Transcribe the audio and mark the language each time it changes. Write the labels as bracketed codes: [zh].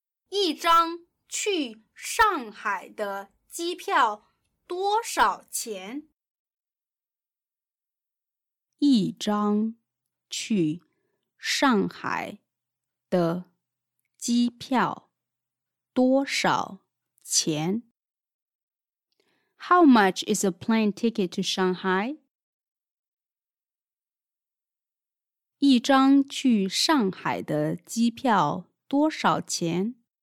[zh] 一张去上海的机票多少钱? 一张去上海的机票多少钱? [en] How much is a plane ticket to Shanghai? [zh] 一张去上海的机票多少钱?